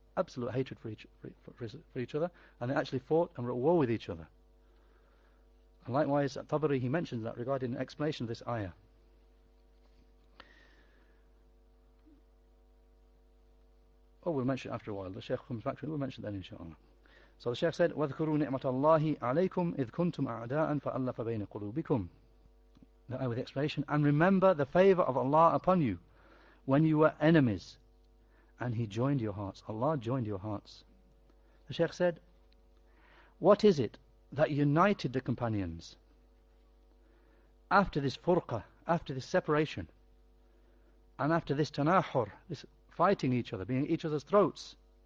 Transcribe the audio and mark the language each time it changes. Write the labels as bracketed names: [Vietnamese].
[English] Absolute hatred for each other, and they actually fought and were at war with each other. And likewise, at Tabari, he mentions that regarding an explanation of this ayah. Oh, we'll mention it after a while. The Shaykh comes back to it. We'll mention it then, inshallah. So the Shaykh said, [Arabic] وَذْكُرُوا نِعْمَةَ اللَّهِ عَلَيْكُمْ إِذْ كُنْتُمْ أَعْدَاءً فَأَلَّفَ بَيْنَ قُلُوبِكُمْ. [English] The ayah with the explanation. And remember the favour of Allah upon you when you were enemies, and He joined your hearts. Allah joined your hearts. The Shaykh said, what is it that united the companions after this furqa, after this separation, and after this tanahur, this fighting each other, being each other's throats?